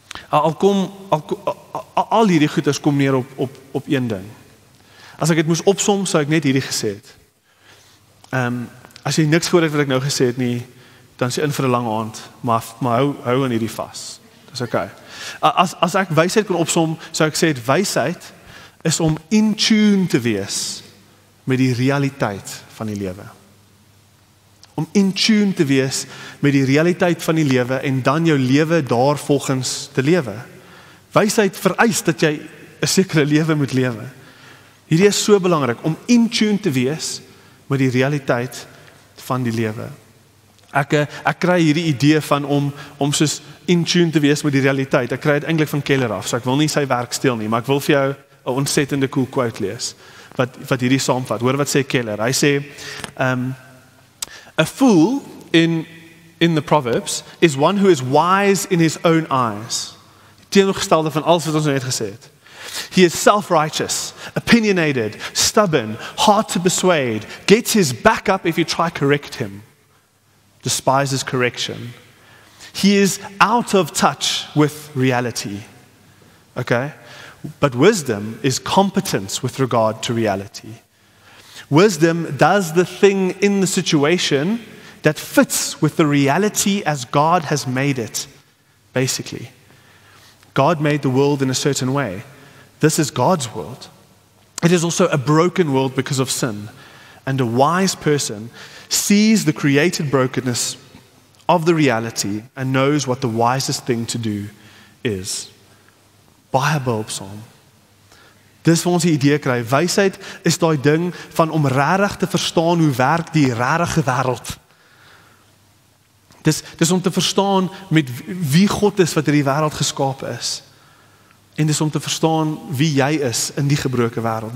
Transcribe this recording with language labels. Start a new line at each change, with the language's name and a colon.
Afrikaans: Al hierdie goeders kom neer op een ding. As ek het moes opsom, sou ek net hierdie gesê het. As jy niks gehoor het wat ek nou gesê het nie, dan is jy in vir 'n lange aand, maar hou aan hierdie vas. Dis okay. As ek wysheid kon opsom, sou ek sê, wysheid is om in tune te wees met die realiteit van die lewe. Om in tune te wees met die realiteit van die lewe en dan jou lewe daar volgens te lewe. Wysheid vereis dat jy 'n sekere lewe moet lewe. Hierdie is so belangrik, om in tune te wees met die realiteit van die lewe. Ek kry hierdie idee van om soos in tune te wees met die realiteit. Ek kry dit eintlik van Keller af, so ek wil nie sy werk steel nie, maar ek wil vir jou 'n ontsettende cool quote lees, wat hierdie saamvat. Hoor wat sê Keller. Hy sê,
English: a fool in the Proverbs is one who is wise in his own eyes.
Afrikaans: Teenoorgestelde van alles wat ons net gesê het.
English: He is self-righteous, opinionated, stubborn, hard to persuade, gets his back up if you try to correct him, despises correction. He is out of touch with reality. Okay? But wisdom is competence with regard to reality. Wisdom does the thing in the situation that fits with the reality as God has made it, basically. God made the world in a certain way. This is God's world. It is also a broken world because of sin. And a wise person sees the created brokenness of the reality and knows what the wisest thing to do is.
Afrikaans: Baie bulb psalm. Dis waar ons die idee kry. Wysheid is daai ding van om regtig te verstaan hoe werk die regte wêreld. Dis om te verstaan met wie God is wat hierdie wêreld geskaap is. En dis om te verstaan wie jy is in die gebroke wêreld.